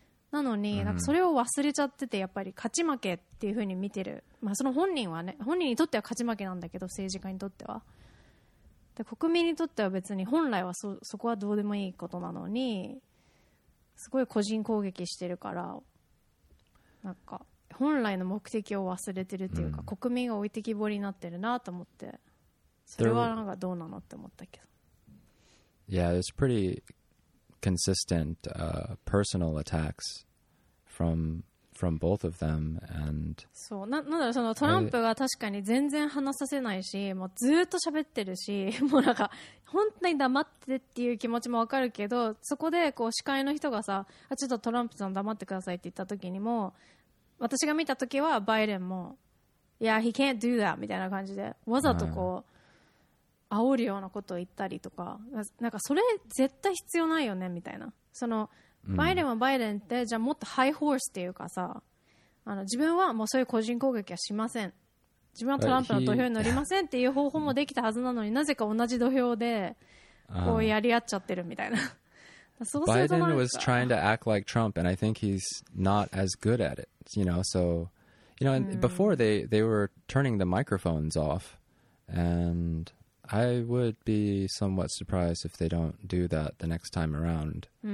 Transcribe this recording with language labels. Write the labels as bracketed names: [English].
[Japanese] なのに、なんかそれを忘れちゃってて、やっぱり勝ち負けっていう風に見てる、まあ、その本人はね、本人にとっては勝ち負けなんだけど、政治家にとってはで、国民にとっては別に本来は そこはどうでもいいことなのに、すごい個人攻撃してるから、なんか本来の目的を忘れてるっていうか、国民が置いてきぼりになってるなと思って、それはなんかどうなのって思ったけど。 [English] Yeah, it's pretty consistent personal attacks from both of them, and [Japanese] そう、なんだろう、そのトランプが確かに全然話させないし、もうずっと喋ってるし、もうなんか本当に黙ってっていう気持ちもわかるけど、そこでこう司会の人がさ、ちょっとトランプさん黙ってくださいって言った時にも、私が見た時はバイデンも [English] Yeah, he can't do that [Japanese] みたいな感じでわざとこう煽るようなことを言ったりとか、なんかそれ絶対必要ないよねみたいな、そのバイデンはバイデンって、じゃあもっとハイホースっていうかさ、あの自分はもうそういう個人攻撃はしません、自分はトランプの土俵に乗りませんっていう方法もできたはずなのに、なぜか同じ土俵でこうやり合っちゃってるみたいな。 [English] Biden was trying to act like Trump, and I think he's not as good at it, you know. So, you know, before they were turning the microphones off, and I would be somewhat surprised if they don't do that the next time around.